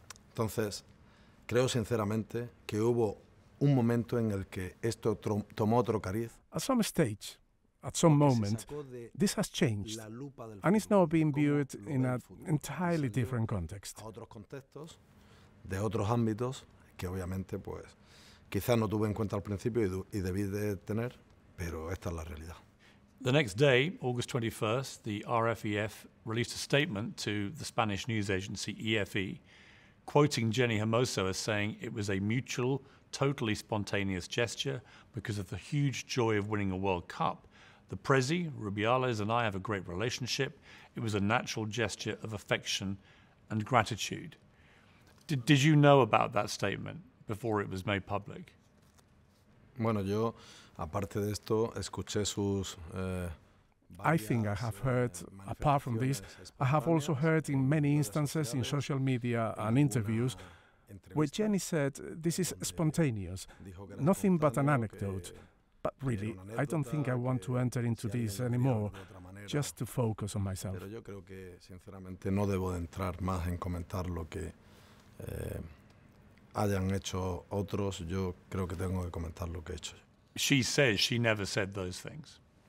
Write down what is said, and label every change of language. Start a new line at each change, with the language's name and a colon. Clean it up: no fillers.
Spanish: Entonces, creo sinceramente que hubo un momento en el que esto tomó otro cariz.
English: At some stage, at some moment, this has changed and is now being viewed in an entirely different context.
Spanish: A otros contextos, de otros ámbitos, que obviamente, pues, quizás no tuve en cuenta al principio y debí de tener, pero esta es la realidad.
English: The next day, August 21st, the RFEF released a statement to the Spanish news agency EFE, quoting Jenni Hermoso as saying it was a mutual, totally spontaneous gesture because of the huge joy of winning a World Cup. The Prezi, Rubiales, and I have a great relationship. It was a natural gesture of affection and gratitude. Did you know about that statement before it was made public?
Spanish: Bueno, yo, aparte de esto, escuché sus...
English: I think I have heard, apart from this, I have also heard in many instances in social media and interviews where Jenni said this is spontaneous, nothing but an anecdote. But really, I don't think I want to enter into this anymore, just to focus on myself.
Spanish: Pero yo creo que, sinceramente, no debo entrar más en comentar lo que hayan hecho otros, yo creo que tengo que comentar lo que he hecho.
English: She says she never said those things.